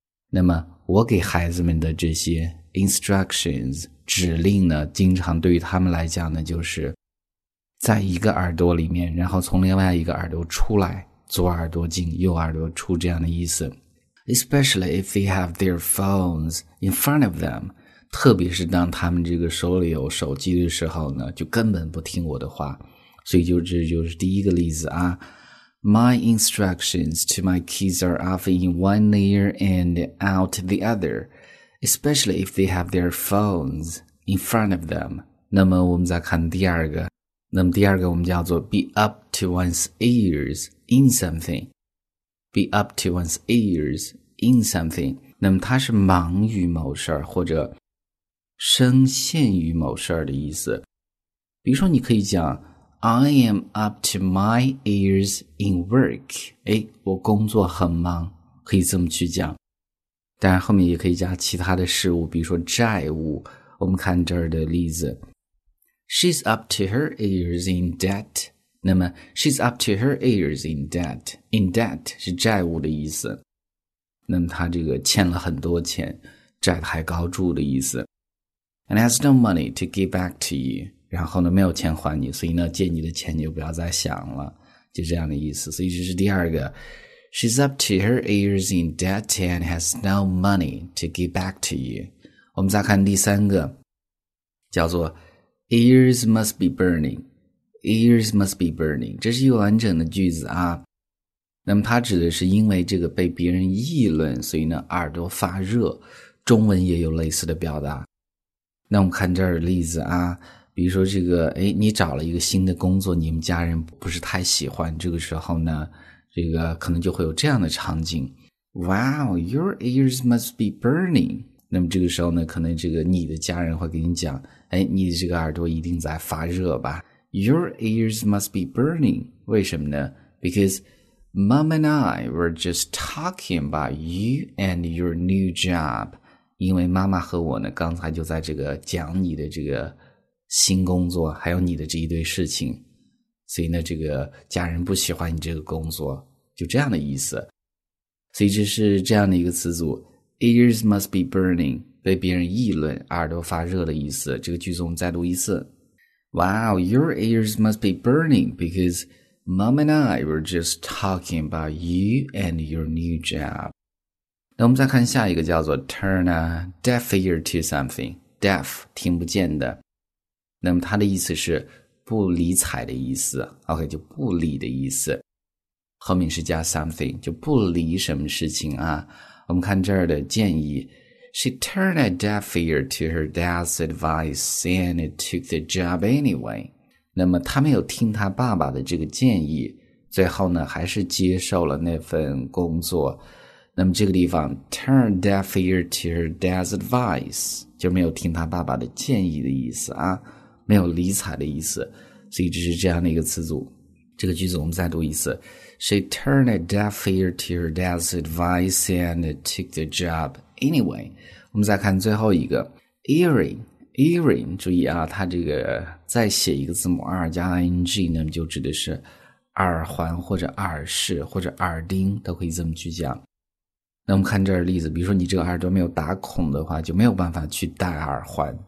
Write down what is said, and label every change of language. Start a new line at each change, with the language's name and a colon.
Chinese: 那么我给孩子们的这些 instructions 指令呢，经常对于他们来讲呢，就是在一个耳朵里面，然后从另外一个耳朵出来，左耳朵进，右耳朵出这样的意思。
English: Especially if they have their phones in front of them，
Chinese: 特别是当他们这个手里有手机的时候呢，就根本不听我的话。所以就这就是第一个例子啊。
English: My instructions to my kids are often in one ear and out the other， especially if they have their phones in front of them。
Chinese: 那么我们再看第二个。那么第二个我们叫做
English: be up to one's ears in something，
Chinese: be up to one's ears in something， 那么它是忙于某事儿或者深陷于某事儿的意思。比如说你可以讲
English: I am up to my ears in work，
Chinese: 哎，我工作很忙，可以这么去讲。当然后面也可以加其他的事物，比如说债务。我们看这儿的例子，
English: She's up to her ears in debt.
Chinese: 那么
English: She's up to her ears in debt. In debt
Chinese: 是债务的意思。那么她这个欠了很多钱，债台高筑的意思。
English: And has no money to give back to you.
Chinese: 然后呢没有钱还你，所以呢借你的钱就不要再想了，就这样的意思。所以这是第二个。
English: She's up to her ears in debt and has no money to give back to you.
Chinese: 我们再看第三个，叫做
English: Ears must be burning. Ears must be burning.
Chinese: 这是一个完整的句子啊。那么它指的是因为这个被别人议论，所以呢耳朵发热。中文也有类似的表达。那我们看这儿的例子啊，比如说这个，哎，你找了一个新的工作，你们家人不是太喜欢。这个时候呢，这个可能就会有这样的场景。
English: Wow, your ears must be burning.
Chinese: 那么这个时候呢，可能这个你的家人会给你讲，哎，你这个耳朵一定在发热吧。
English: Your ears must be burning.
Chinese: 为什么呢？
English: Because mom and I were just talking about you and your new job.
Chinese: 因为妈妈和我呢，刚才就在这个讲你的这个新工作，还有你的这一堆事情。所以呢，这个家人不喜欢你这个工作，就这样的意思。所以这是这样的一个词组。
English: Ears must be burning，
Chinese: 被别人议论，耳朵发热的意思。这个句子我们再读一次。
English: Wow, your ears must be burning because mom and I were just talking about you and your new job.
Chinese: 那我们再看下一个叫做
English: turn a deaf ear to something，
Chinese: deaf 听不见的。那么它的意思是不理睬的意思， OK 就不理的意思。后面是加 something， 就不理什么事情啊。我们看这儿的建议
English: She turned a deaf ear to her dad's advice and took the job anyway.
Chinese: 那么她没有听她爸爸的这个建议，最后呢还是接受了那份工作。那么这个地方
English: turn a deaf ear to her dad's advice
Chinese: 就没有听她爸爸的建议的意思啊，没有理睬的意思。所以这是这样的一个词组。这个句子我们再读一次。
English: She turned a deaf ear to her dad's advice and took the job anyway.
Chinese: 我们再看最后一个 earring, earring. 注意啊，它这个再写一个字母 R 加 ing， 那么就指的是耳环或者耳饰或者耳钉，都可以这么去讲。那我们看这儿的例子，比如说你这个耳朵没有打孔的话，就没有办法去戴耳环。